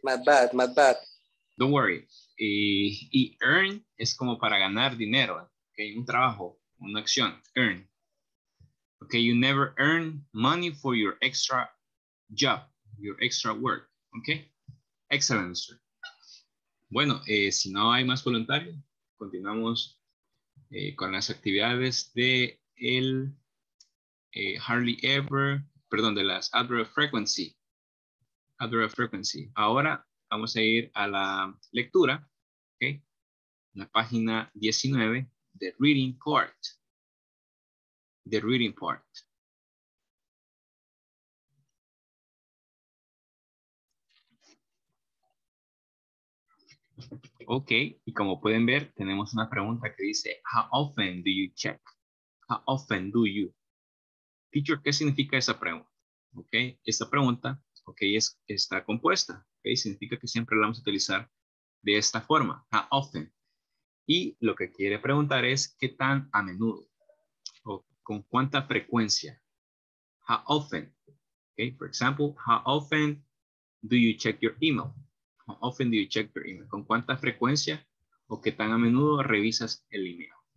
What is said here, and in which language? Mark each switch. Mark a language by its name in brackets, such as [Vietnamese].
[English] My bad. [Spanish] Don't worry. Y earn es como para ganar dinero. Okay, un trabajo, una acción, earn. [English] Okay, you never earn money for your extra job, your extra work. Okay. Excellent, sir. [Spanish] Bueno, si no hay más voluntarios, continuamos con las actividades de el hardly ever, perdón, de las adverb frequency. Ahora vamos a ir a la lectura, ¿ok? La página 19, the reading part. Ok, y como pueden ver, tenemos una pregunta que dice, how often do you check? [English] How often do you? Teacher, ¿qué significa esa pregunta? [Spanish] Ok, esta pregunta, ok, está compuesta. Ok, significa que siempre la vamos a utilizar de esta forma, how often. Y lo que quiere preguntar es, ¿qué tan a menudo? O ¿con cuánta frecuencia? How often? [English] Ok, for example, how often do you check your email? How often do you check your email? [Spanish] ¿Con cuánta frecuencia o qué tan a menudo revisas el email?